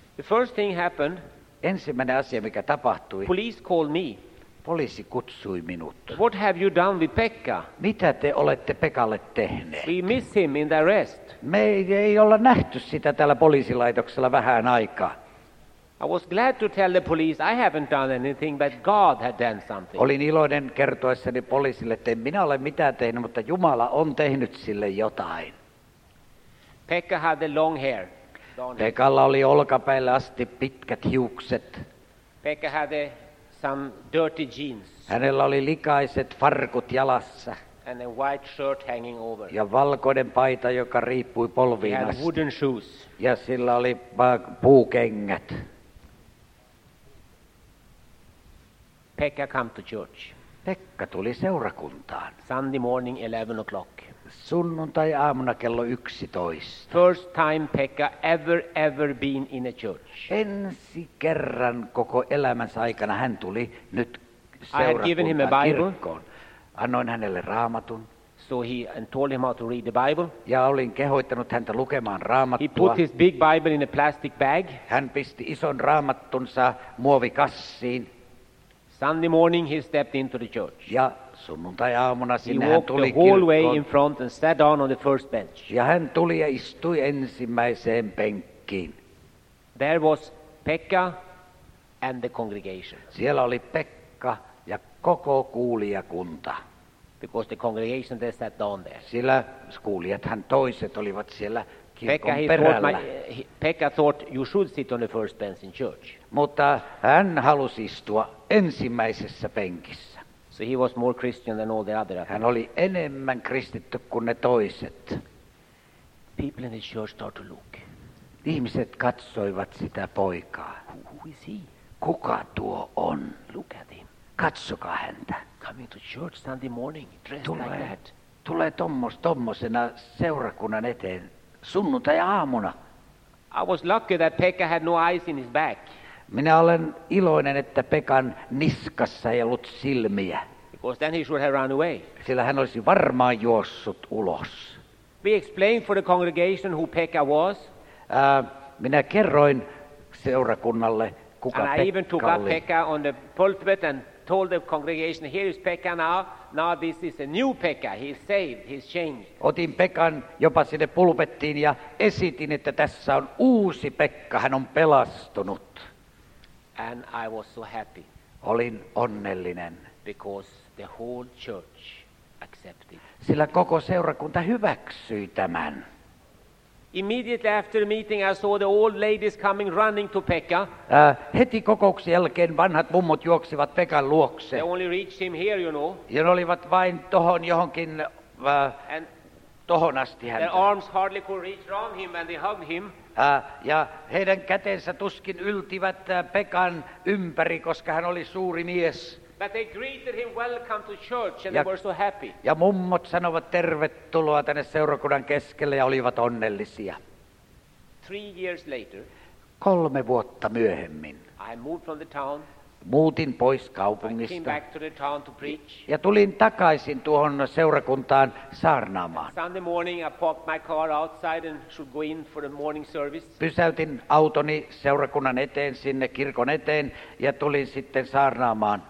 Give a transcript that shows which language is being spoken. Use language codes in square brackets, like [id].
[en] The first thing happened. [fi] Ensimmäinen asia mikä tapahtui. [en] Police called me. [fi] Poliisi kutsui minut. [en] What have you done with Pekka? [fi] Mitä te olette Pekalle tehneet? [en] We miss him in the arrest. [fi] Me ei olla nähty sitä täällä poliisilaitoksella vähän aikaa. [en] I was glad to tell the police I haven't done anything, but God had done something. [fi] Olin iloinen kertoessani poliisille, että en minä ole mitään tehnyt, mutta Jumala on tehnyt sille jotain. [en] Pekka had the long hair. [fi] Pekalla oli olkapäille asti pitkät hiukset. [en] Pekka had a some dirty jeans. [fi] Hänellä oli likaiset farkut jalassa. [en] And a white shirt hanging over. [fi] Ja valkoinen paita, joka riippui polviin asti. [en] He had wooden shoes. [fi] Ja sillä oli puukengät. [en] Pekka came to church. [fi] Pekka tuli seurakuntaan. [en] Sunday morning 11 o'clock. [fi] Sunnuntai aamuna kello 11. [en] First time Pekka ever been in a church. [fi] Ensi kerran koko elämänsä aikana hän tuli nyt seurakuntaan. [en] I had given him a Bible. [fi] Annoin hänelle Raamatun. [en] So he and told him how to read the Bible. [fi] Ja olin kehoittanut häntä lukemaan Raamattua. [en] He put his big Bible in a plastic bag. [fi] Hän pisti ison Raamattunsa muovikassiin. [en] Sunday morning he stepped into the church. [fi] Ja sunnuntai aamuna sinne hän tuli kirkkoon. [en] He walked the hallway in front and sat down on the first bench. [fi] Ja hän tuli ja istui ensimmäiseen penkkiin. [en] There was Pekka and the congregation. [fi] Siellä oli Pekka ja koko kuulijakunta. [en] Because the congregation they sat down there. [fi] Sillä kuulijathan toiset olivat siellä kirkon perällä. [en] Pekka thought you should sit on the first bench in church. [fi] Mutta hän halusi istua ensimmäisessä penkissä. [en] So he was more Christian than all the other. [fi] Hän oli enemmän kristitty kuin ne toiset. [en] People in the church started to look. [fi] Ihmiset katsoivat sitä poikaa. [en] Who is he? [fi] Kuka tuo on? [en] Look at him. [fi] Katsokaa häntä. [en] Coming to church Sunday morning dressed [fi] tulee, [en] like that. [fi] Tulee tommosena seurakunnan eteen sunnuntai aamuna. [en] I was lucky that Pekka had no eyes in his back. [fi] Minä olen iloinen, että Pekan niskassa ei ollut silmiä. [en] Because then he should have run away. [fi] Sillä hän olisi varmaan juossut ulos. [en] We explained for the congregation who Pekka was. [fi] Minä kerroin seurakunnalle, kuka Pekka oli. [en] And I even took up Pekka on the pulpit and told the congregation, here is Pekka now. Now this is a new Pekka. He's saved. He's changed. [fi] Otin Pekan jopa sinne pulpettiin ja esitin, että tässä on uusi Pekka. Hän on pelastunut. [en] And I was so happy. [fi] Olin onnellinen. [en] Because the whole church accepted. [fi] Sillä koko seurakunta hyväksyi tämän. [en] Immediately after the meeting I saw the old ladies coming running to Pekka. [fi] Heti kokouksen jälkeen vanhat mummot juoksivat Pekan luokse. [en] They only reached him here, you know. [fi] Ja ne olivat vain tohon johonkin and tohon asti häntä. [en] Their arms hardly could reach around him and they hugged him. [fi] Ja heidän kätensä tuskin yltivät Pekan ympäri, koska hän oli suuri mies. [en] But they greeted him welcome to church and they were so happy. [fi] Ja mummot sanovat tervetuloa tänne seurakunnan keskelle ja olivat onnellisia. [en] 3 years later. [fi] 3 vuotta myöhemmin. [en] I moved from the town. [fi] Muutin pois kaupungista. [en] I came back to the town to preach. [fi] Ja tulin takaisin tuohon seurakuntaan saarnaamaan. [en] Sunday morning I parked my car outside and should go in for the morning service. [fi] Pysäytin autoni seurakunnan eteen sinne kirkon eteen ja tulin sitten saarnaamaan.